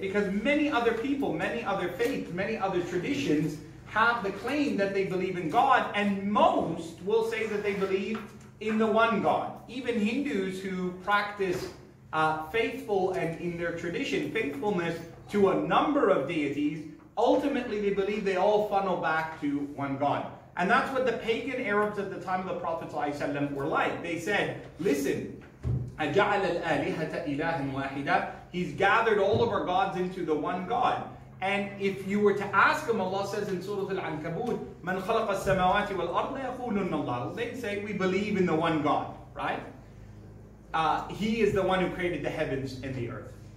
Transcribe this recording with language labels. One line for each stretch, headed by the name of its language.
English: Because many other people, many other faiths, many other traditions have the claim that they believe in God, and most will say that they believe in the one God. Even Hindus who practice faithful and in their tradition, faithfulness to a number of deities, ultimately they believe they all funnel back to one God. And that's what the pagan Arabs at the time of the Prophet ﷺ were like. They said, listen,
Arabic: أَجَعَلَ الْآلِهَةَ إِلَهًا وَاحِدًا.
English: He's gathered all of our gods into the one God. And if you were to ask him, Allah says in Surah Al-Ankabut,
Arabic: مَنْ خَلَقَ السَّمَوَاتِ وَالْأَرْضَ يَقُولُنَّ اللَّهُ.
English: They'd say, we believe in the one God, right? He is the one who created the heavens and the earth.